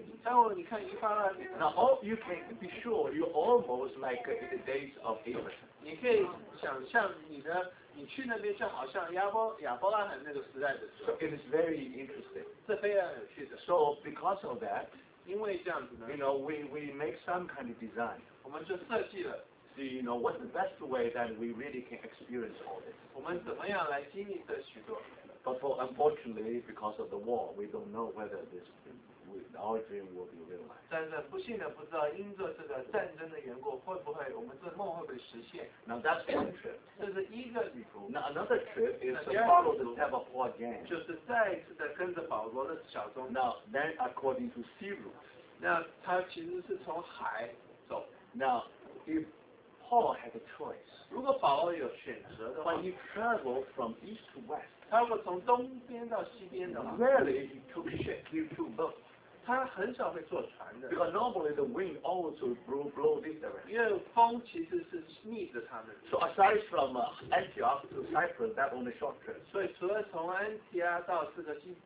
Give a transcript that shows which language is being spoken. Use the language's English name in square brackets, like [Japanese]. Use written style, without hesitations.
[English] But if you visit your friends, now you can be sure you're almost like in the days of Abraham. [Chinese] 你可以想象你的，你去那边就好像亚伯拉罕那个时代的。 [English] So it is very interesting. [Chinese] 是非常有趣的。 [English] So because of that, [Chinese] 因为这样子呢 [English] you know, we make some kind of design. [Chinese] 我们就设计了。 [English] So you know, what's the best way that we really can experience all this? [Chinese] 我们怎么样来经历这许多？ [English] But for unfortunately, because of the war, we don't know whether this our dream will be realized. [Chinese] 但是不幸的不知道，因着这个战争的缘故，会不会我们这梦会不会实现 [English] ？Now that's one trip. [Chinese] 这是一个旅途。 [English] Now another trip is to follow the step of Paul again. [Chinese] 就是再次的跟着保罗的脚踪。 [English] Now then, according to sea route. [Chinese] 那他其实是从海走。 [English] Now if Paul had a choice. [Chinese] 如果保罗有选择的话 [English] ，when he traveled from east to west. [Chinese] 他如果从东边到西边的话 [English] ，Rarely he took ship, he took boat. [Chinese] 他很少会坐船的。 [English] Because normally the wind also blow this direction. [Chinese] 因为风其实是逆着他们。 [English] So aside from Antioch to Cyprus, that only short trip. [Chinese] 所以除了从安提阿到这个